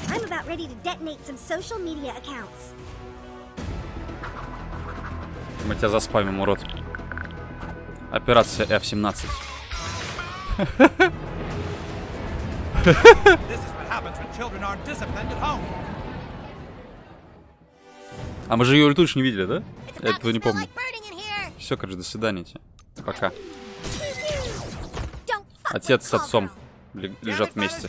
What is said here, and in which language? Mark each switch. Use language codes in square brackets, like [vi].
[en] I'm about ready to detonate some social media accounts. [ru] Мы тебя заспамим, урод. Операция F17. [en] This is what happens when children aren't disciplined at home. [ru] А мы же ее летучую не видели, да? Я этого не помню. Все, короче, до свидания тебе. Пока. Отец с отцом лежат вместе.